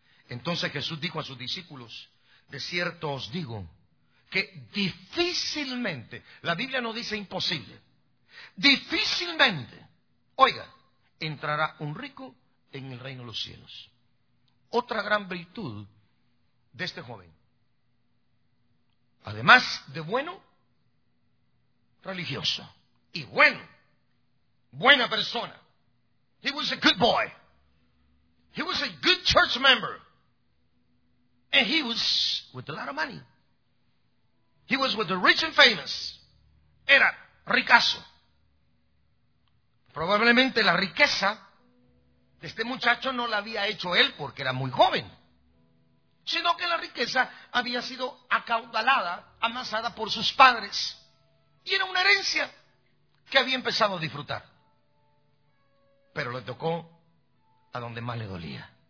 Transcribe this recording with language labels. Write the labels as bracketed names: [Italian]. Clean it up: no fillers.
[Spanish] Entonces Jesús dijo a sus discípulos, de cierto os digo, que difícilmente, la Biblia no dice imposible, difícilmente, oiga, entrará un rico en el reino de los cielos. Otra gran virtud de este joven, además de bueno, religioso, y bueno, buena persona. [English] He was a good boy. He was a good church member. And he was with a lot of money. He was with the rich and famous. [Spanish] Era ricazo. Probablemente la riqueza de este muchacho no la había hecho él porque era muy joven, sino que la riqueza había sido acaudalada, amasada por sus padres. Y era una herencia que había empezado a disfrutar. Pero le tocó a donde más le dolía.